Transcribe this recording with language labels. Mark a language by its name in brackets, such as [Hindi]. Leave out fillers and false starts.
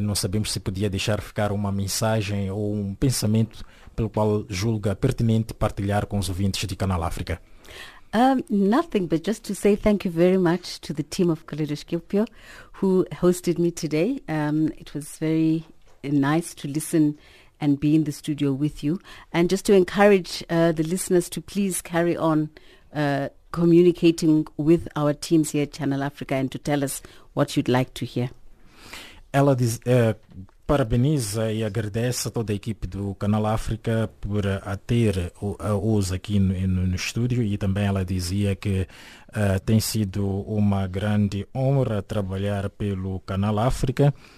[Portuguese] Não sabemos se podia deixar ficar uma mensagem ou um pensamento pelo qual julga pertinente partilhar com os ouvintes de Canal África. [English] Nothing, but just to say thank you very much to the team of Kaleidoskopio who hosted me today. It was very nice to listen and be in the studio with you. And just to encourage the listeners to please carry on communicating with our teams here at Channel Africa and to tell us what you'd like to hear. [Portuguese] Ela diz, parabeniza e agradece a toda a equipe do Canal África por a ter a uso aqui no estúdio, e também ela dizia que tem sido uma grande honra trabalhar pelo Canal África.